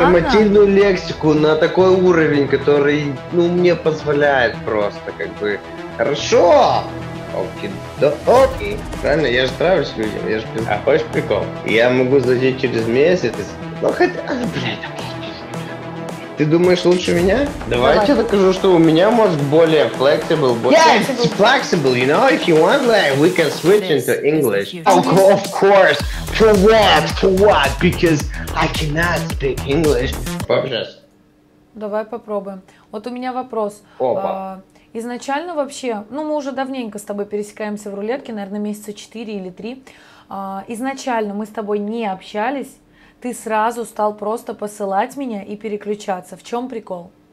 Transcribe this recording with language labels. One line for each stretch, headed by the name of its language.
Russian: Нормативную лексику на такой уровень, который, ну, мне позволяет просто, как бы, хорошо! Оки-доки. Правильно, я же нравлюсь людям, я же пью. А хочешь прикол? Я могу зайти через месяц. Ну хотя, блядь, окей. Ты думаешь лучше меня? Давайте давай. Я докажу, что у меня мозг более flexible.
English: Yeah, it's flexible, you know? If you want, like, we can switch this into English. Of course. For what? For what? Because I cannot speak English.
Russian: Попробуй. Давай попробуем. Вот у меня вопрос. Опа. Изначально вообще, ну мы уже давненько с тобой пересекаемся в рулетке, наверное, месяца 4 или 3. Изначально мы с тобой не общались, ты сразу стал просто посылать меня и переключаться. В чем прикол?